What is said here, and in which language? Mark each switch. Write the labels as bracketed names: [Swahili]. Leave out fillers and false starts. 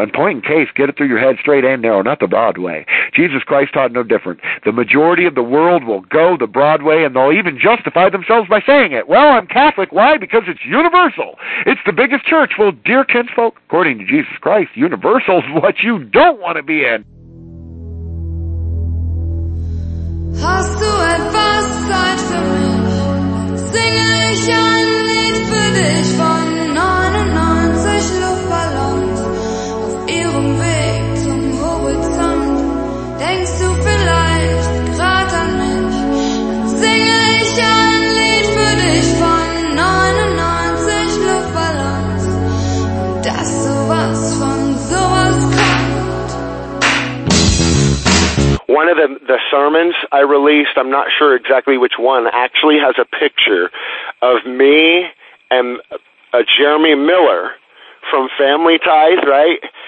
[English] And point in case, get it through your head, straight and narrow, not the broad way. Jesus Christ taught no different. The majority of the world will go the broad way, and they'll even justify themselves by saying it. Well, I'm Catholic. Why? Because it's universal. It's the biggest church. Well, dear kinsfolk, according to Jesus Christ, universal is what you don't want to be in. [German] Hast du etwas Zeit für mich? Singe ich ein Lied für dich von 99 Luftballons auf ihrem Weg zum Horizont. Denkst du vielleicht gerade an mich? Dann singe ich ein Lied für dich von 99 Luftballons, dass sowas von sowas kommt. [English] One of the sermons I released, I'm not sure exactly which one, actually has a picture of me and a Jeremy Miller from Family Ties, right?